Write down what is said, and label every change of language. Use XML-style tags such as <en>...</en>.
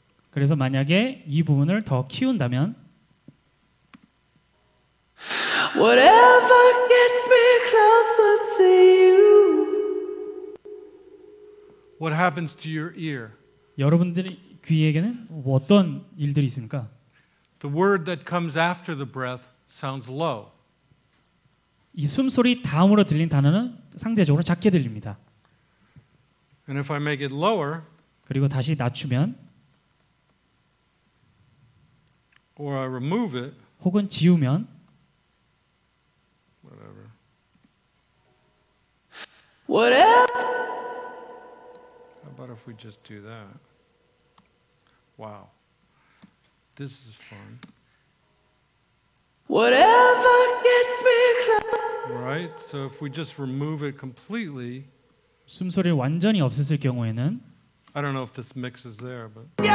<ko>그래서 만약에 이 부분을 더 키운다면</ko> <en>Whatever gets me closer to you. What happens to your ear?</en> <ko>여러분들의 귀에게는 어떤 일들이 있습니까?</ko> <en>The word that comes after the breath sounds low.</en> <ko>이 숨소리 다음으로 들린 단어는 상대적으로 작게 들립니다.</ko> <en>And if I make it lower,</en> <ko>그리고 다시 낮추면</ko> <en>or I remove it,</en> <ko>혹은 지우면</ko> <en>whatever. Whatever. How about if we just do that? Wow. This is fun. Whatever gets me close. Right. So if we just remove it completely,</en> <ko>숨소리를 완전히 없앴을 경우에는</ko> <en>I don't know if this mix is there, but</en>